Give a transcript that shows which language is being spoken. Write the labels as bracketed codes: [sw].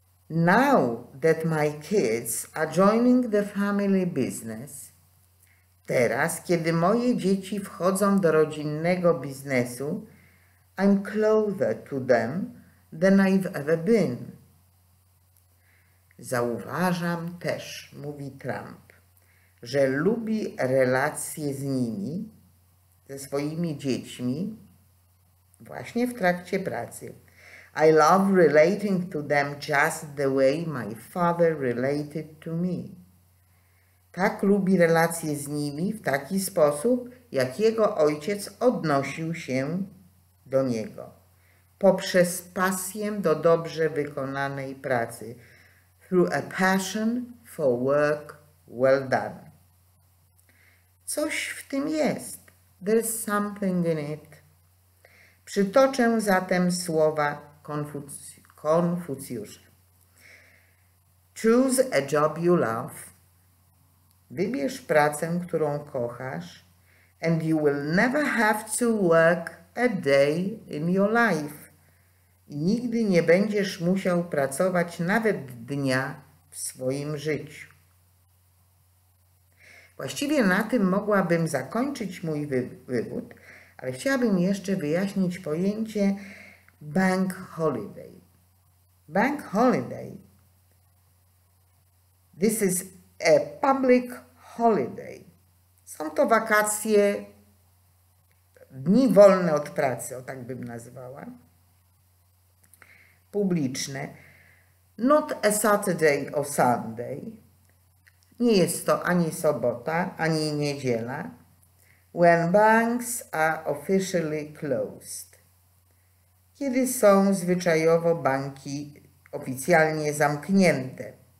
[en] Now that my kids are joining the family business, [pl] teraz, kiedy moje dzieci wchodzą do rodzinnego biznesu, [en] I'm closer to them than I've ever been. [pl] Zauważam też, mówi Trump, że lubi relacje z nimi, ze swoimi dziećmi, właśnie w trakcie pracy. [en] I love relating to them just the way my father related to me. [pl] Tak lubi relacje z nimi w taki sposób, jak jego ojciec odnosił się do niego. Poprzez pasję do dobrze wykonanej pracy. [en] Through a passion for work well done. [pl] Coś w tym jest. [en] There's something in it. [pl] Przytoczę zatem słowa Konfucjusza. [en] Choose a job you love. [pl] Wybierz pracę, którą kochasz, [en] and you will never have to work a day in your life. [pl] I nigdy nie będziesz musiał pracować nawet dnia w swoim życiu. Właściwie na tym mogłabym zakończyć mój wywód, ale chciałabym jeszcze wyjaśnić pojęcie bank holiday. Bank holiday. [en] This is a public holiday. [pl] Są to wakacje, dni wolne od pracy, o tak bym nazwała, publiczne. [en] Not a Saturday or Sunday. [pl] Nie jest to ani sobota, ani niedziela. [en] When banks are officially closed. [pl] Kiedy są zwyczajowo banki oficjalnie zamknięte.